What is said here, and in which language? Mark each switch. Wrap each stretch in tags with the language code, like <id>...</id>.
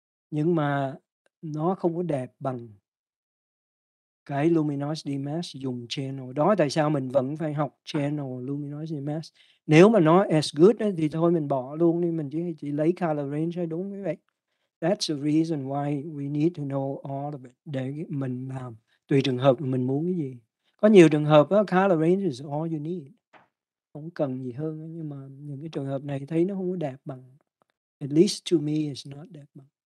<vi>Nhưng mà nó không có đẹp bằng cái luminosity mask dùng channel. Đó tại sao mình vẫn phải học channel luminosity mask. Nếu mà nó</vi> <en>as good</en> <vi>đó, thì thôi mình bỏ luôn đi. Mình chỉ lấy color range thôi, đúng vậy.</vi> <en>That's the reason why we need to know all of it.</en> <vi>Để mình làm tùy trường hợp mình muốn cái gì. Có nhiều trường hợp đó,</vi> <en>color range is all you need.</en> <vi>Không cần gì hơn. Nhưng mà những cái trường hợp này thấy nó không có đẹp bằng.</vi> <en>At least to me it's not</en> <vi>đẹp bằng.</vi>